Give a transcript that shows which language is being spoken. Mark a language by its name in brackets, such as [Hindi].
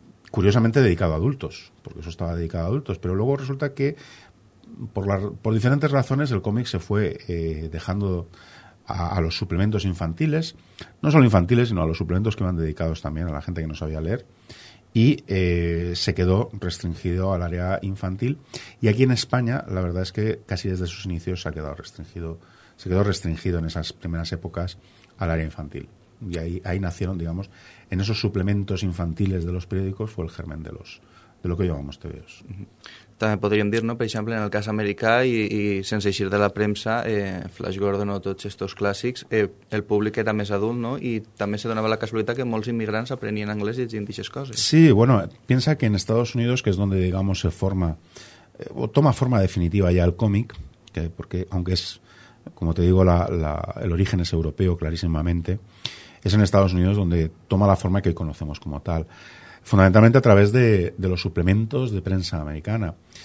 [Spanish] Curiosamente dedicado a adultos, porque eso estaba dedicado a adultos, pero luego resulta que por diferentes razones el cómic se fue dejando a los suplementos infantiles, no solo infantiles, sino a los suplementos que iban dedicados también a la gente que no sabía leer, y se quedó restringido al área infantil. Y aquí en España, la verdad es que casi desde sus inicios se quedó restringido en esas primeras épocas al área infantil. Y ahí nacieron, digamos, en esos suplementos infantiles de los periódicos fue el germen de lo que llamamos tebeos. [Catalan] També podríem dir, no, per exemple, en el cas americà i sense eixir de la premsa, Flash Gordon o tots aquests clàssics, el públic era més adult, no? I també se donava la casualitat que molts immigrants aprenien anglès i llegien aquestes coses. [Spanish] Sí, bueno, piensa que en Estados Unidos, que es donde, digamos, se forma, o toma forma definitiva ya el cómic, porque aunque es, como te digo, el origen es europeo clarísimamente, es en Estados Unidos donde toma la forma que hoy conocemos como tal. Fundamentalmente a través de los suplementos de prensa americana.